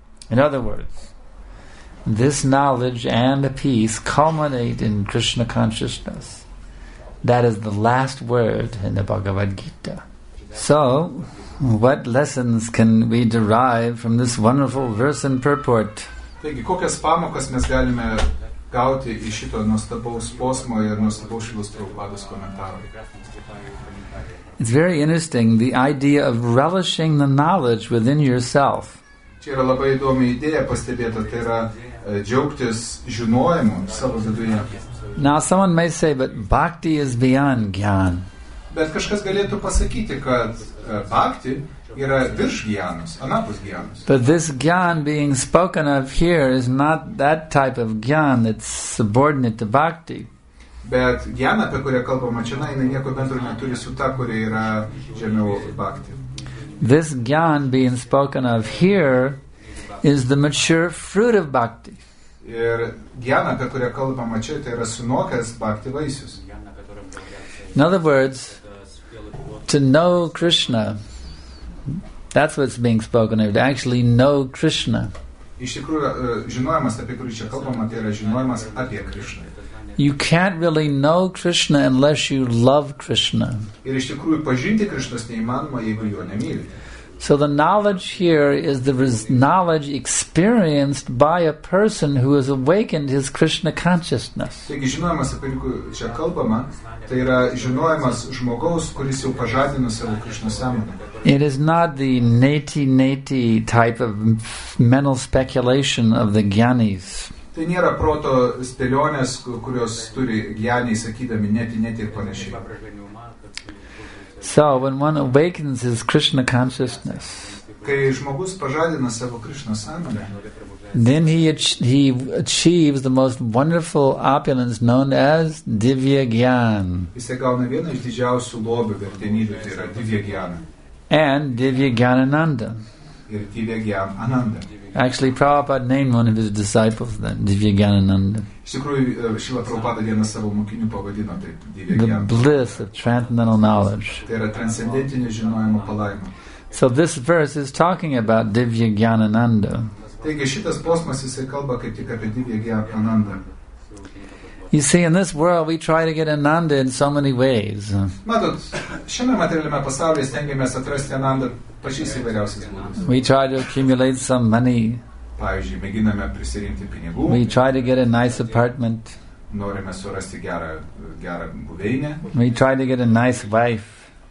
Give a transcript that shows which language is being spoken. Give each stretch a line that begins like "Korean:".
English: In other words, this knowledge and peace culminate in Krishna consciousness. That is the last word in the Bhagavad Gita. So, what lessons can we derive from this wonderful verse and purport?
Lithuanian: Taigi, kokias pamokas mes galime gauti iš šito nuostabaus posmo ir nuostabaus Šrilos Prabhupados komentaro?
English: It's very interesting, the idea of relishing the knowledge within yourself.
Lithuanian: Čia yra labai įdomi idėja pastebėta, tai yra džiaugtis žinojimu savo viduje.
English: Now someone may say, but bhakti is beyond gyan.
Lithuanian: Bet kažkas galėtų pasakyti, kad bhakti yra virš gyanos, anapus gyanos.
English: But this gyan being spoken of here is not that type of gyan that's subordinate to bhakti.
Lithuanian: Bet gyan, apie kurią kalbama čia, jinai nieko bendro neturi su ta, kuri yra žemiau bhakti.
English: This gyan being spoken of here is the mature fruit of bhakti.
Lithuanian: Ir gyana, apie kurią kalbama čia, tai yra sunokęs bhakti vaisius.
English: In other words, to know Krishna, that's what's being spoken of, to actually know Krishna.
Lithuanian: Iš tikrųjų, žinojimas, apie kurį čia kalbama, tai yra žinojimas apie Krishna.
English: You can't really know Krishna unless you love Krishna.
Lithuanian: Ir iš tikrųjų, pažinti Krishna neįmanoma, jeigu jo nemyli.
English: So the knowledge here is the knowledge experienced by a person who has awakened his Krishna consciousness.
Lithuanian: Taigi, žinojimas, apie kurį čia kalbama, tai yra žinojimas žmogaus, kuris jau pažadino savo Krishna sąmonę.
English: It is not the neti-neti type of mental speculation of the jnanis.
Lithuanian: Tai nėra proto spėlionės, kurios turi gyaniai sakydami neti, neti ir panašiai.
English: So, when one awakens his Krishna consciousness,
Lithuanian: kai žmogus pažadina savo Krishna sąmonę,
English: then he achieves the most wonderful opulence known as Divya Gyan.
Lithuanian: Jis gauna vieną iš didžiausių lobių vertenybių, tai yra Divya Gyana.
English: And Divya Gyanananda.
Lithuanian: Ir Divya Gyan Ananda.
English: Actually, Prabhupada named one of his disciples then, Divya Gyanananda.
Lithuanian: Iš tikrųjų, Šila Prabhupada vieną savo mokinių pavadino taip, Divya Gyan.
English: The bliss of transcendental knowledge.
Lithuanian: Tai yra transcendentinio žinojimo palaima.
English: So this verse is talking about Divya Gyanananda.
Lithuanian: Taigi šitas posmas jisai kalba kaip tik apie Divya Gyanananda.
English: You see, in this world, we try to get Ananda in so many ways.
Lithuanian: Matot, šiame materialiame pasaulyje stengiamės atrasti Ananda pačiais įvairiausiais būdais.
English: We try to accumulate some money.
Lithuanian: Pavyzdžiui, mėginame prisirinkti pinigų.
English: We try to get a nice apartment.
Lithuanian: Norime surasti gerą buveinę.
English: We try to get a nice wife.